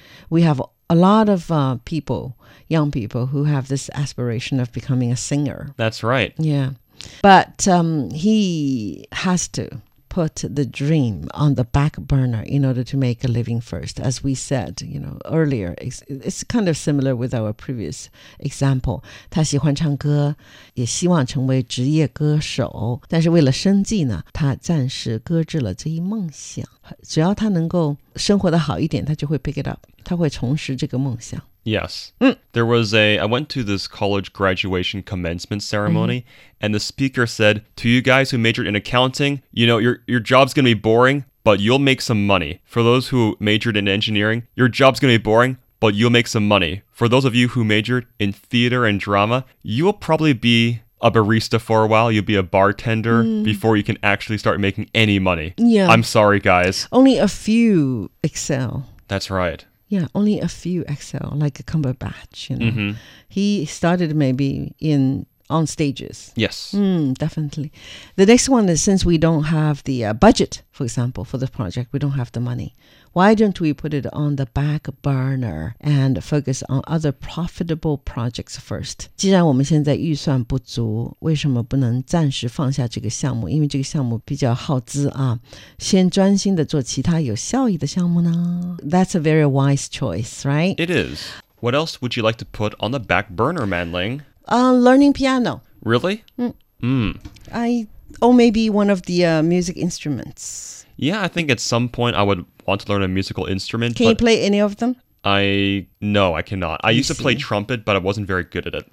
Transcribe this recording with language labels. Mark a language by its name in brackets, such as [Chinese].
[English] We have a lot of young people who have this aspiration of becoming a singer. That's right. Yeah. But he has to put the dream on the back burner in order to make a living first. As we said, you know, earlier, it's kind of similar with our previous example. [Chinese] 他喜欢唱歌，也希望成为职业歌手，但是为了生计呢，他暂时搁置了这一梦想。只要他能够生活得好一点，他就会 [English] pick it up， [Chinese] 他会重拾这个梦想。 [English] Yes. Mm. There was I went to this college graduation commencement ceremony, and the speaker said, to you guys who majored in accounting, you know, your job's going to be boring, but you'll make some money. For those who majored in engineering, your job's going to be boring, but you'll make some money. For those of you who majored in theater and drama, you will probably be a barista for a while. You'll be a bartender before you can actually start making any money. Yeah. I'm sorry, guys. Only a few excel. That's right. Yeah, only a few excel, like a Cumberbatch, you know. Mm-hmm. He started maybe on stages. Yes. Definitely. The next one is, since we don't have the budget, for example, for the project, we don't have the money. Why don't we put it on the back burner and focus on other profitable projects first? [Chinese] 既然我们现在预算不足，为什么不能暂时放下这个项目？因为这个项目比较耗资啊，先专心的做其他有效益的项目呢？ [English] That's a very wise choice, right? It is. What else would you like to put on the back burner, Manling? Learning piano. Really? Or maybe one of the music instruments. Yeah, I think at some point I would want to learn a musical instrument. Can you play any of them? No, I cannot. I used to play trumpet, but I wasn't very good at it.